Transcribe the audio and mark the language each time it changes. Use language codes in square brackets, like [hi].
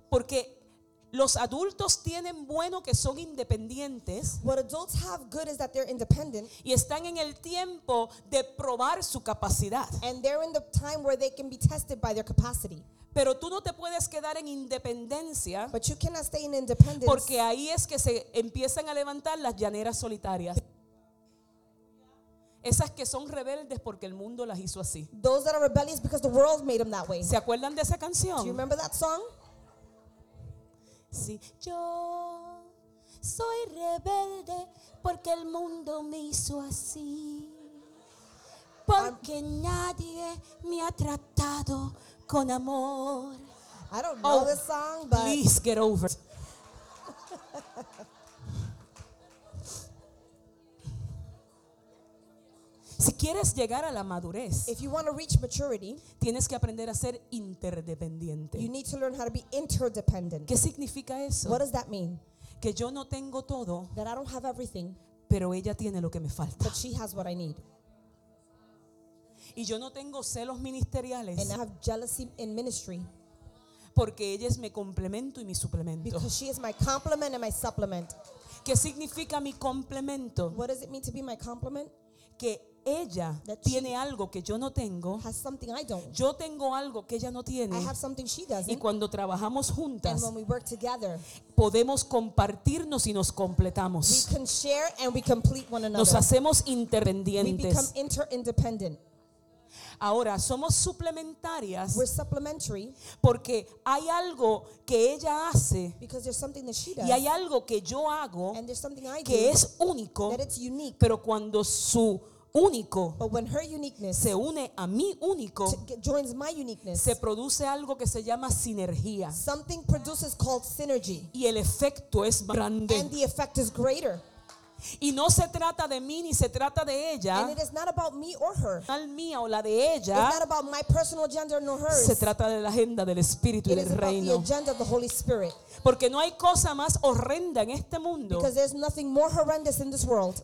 [es] Porque los adultos tienen bueno que son independientes. [en] What adults have good is that they're independent. [es] Y están en el tiempo de probar su capacidad. [en] And they're in the time where they can be tested by their capacity. [es] Pero tú no te puedes quedar en independencia. [en] But you cannot stay in independence. [es] Porque ahí es que se empiezan a levantar las llaneras solitarias. Esas que son rebeldes porque el mundo las hizo así. [en] Those that are rebellious because the world made them that way. [es] ¿Se acuerdan de esa canción? [en] Do you remember that song? [es] Sí. Yo soy rebelde porque el mundo me hizo así. Porque nadie me ha tratado con amor. [en] I don't know this song, but please get over. [es] Si quieres llegar a la madurez, [en] if you want to reach maturity, [es] tienes que aprender a ser interdependiente. [en] You need to learn how to be interdependent. [es] ¿Qué significa eso? [en] What does that mean? [es] Que yo no tengo todo, [en] that I don't have everything, [es] pero ella tiene lo que me falta. [en] But she has what I need. [es] Y yo no tengo celos ministeriales. [en] And I have jealousy in ministry. [es] Porque ella es mi complemento y mi suplemento. [en] Because she is my complement and my supplement. [es] ¿Qué significa mi complemento? [en] What does it mean to be my complement? [es] Que ella tiene algo que yo no tengo. [en] Has something I don't. [es] Yo tengo algo que ella no tiene. [en] I have something she doesn't. [es] Y cuando trabajamos juntas, [en] and when we work together, [es] podemos compartirnos y nos completamos. [en] We can share and we complete one another. [es] Nos hacemos interdependientes. [en] We become interdependent. [es] Ahora somos suplementarias. [en] We're supplementary. [es] Porque hay algo que ella hace. [en] Because there's something that she does. [es] Y hay algo que yo hago. [en] And there's something I [es] que [en] do. [es] Que es único. [en] That it's unique. [es] Pero cuando su único, [en] but when her uniqueness, [es] se une a mi único, [en] joins my uniqueness, [es] se produce algo que se llama sinergia. [en] Something produces called synergy. [es] Y el efecto es grande. [en] And the effect is greater. [es] Y no se trata de mí ni se trata de ella. [en] And it is not about me or her. [es] Al mía o la de ella. [en] It's not about my personal gender nor hers. [es] Se trata de la agenda del Espíritu y del Reino. [en] It is about the agenda of the Holy Spirit. [es] Porque no hay cosa más horrenda en este mundo. [en] Because there's nothing more horrendous in this world.